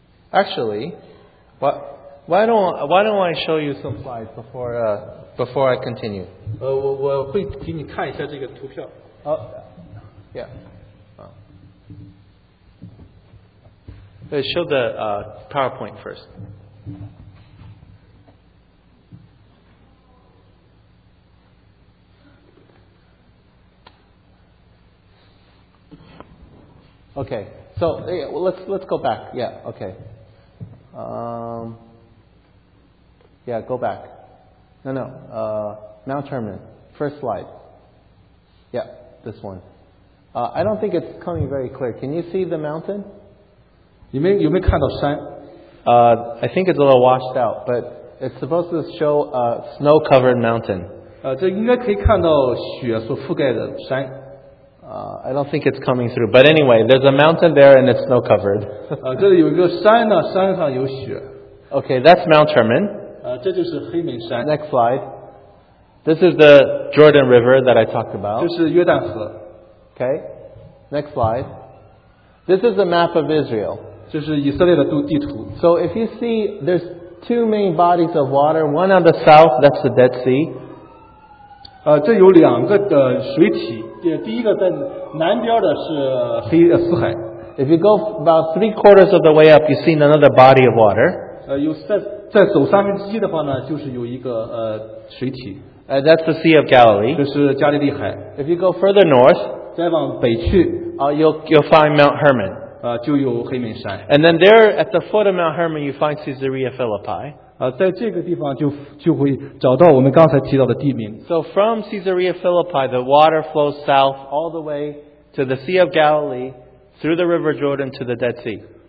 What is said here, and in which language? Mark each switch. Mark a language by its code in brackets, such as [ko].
[en] Actually, why don't I show you some slides before I continue? [zh] 我会给你看一下这个图片。 [en] Show the PowerPoint first. Okay. So let's go back. Yeah. Okay. Go back. No. Mount Hermon. First slide. Yeah. This one. I don't think it's coming very clear. Can you see the mountain? You may [zh] 看到山. [en] I think it's a little washed out, but it's supposed to show a snow-covered mountain. [zh] 这应该可以看到雪所覆盖的山. [en] I don't think it's coming through. But anyway, there's a mountain there and it's snow covered. [zh] 这里有一个山呢,山上有雪。 [en] Okay, that's Mount Hermon. [zh] 这就是黑门山。 [en] Next slide. This is the Jordan River that I talked about. [zh] 这是约旦河。 [en] Okay, next slide. This is a map of Israel. [zh] 这是以色列的地图。 [en] So if you see, there's two main bodies of water. One on the south, that's the Dead Sea. [zh] 这有两个水体。第一个在南边的是黑死海。 [en] If you go about 3/4 of the way up, you've seen another body of water. [zh] 在走三分之一的话呢,就是有一个水体。 [en] That's the Sea of Galilee. [zh] 这是加利利海。 [en] If you go further north, [zh] 再往北去, [en] you'll find Mount Hermon. [zh] 就有黑门山。 [en] And then there at the foot of Mount Hermon, you find Caesarea Philippi. [zh] 在这个地方就会找到我们刚才提到的地名。 [en] So from Caesarea Philippi, the water flows south all the way to the Sea of Galilee, through the River Jordan to the Dead Sea.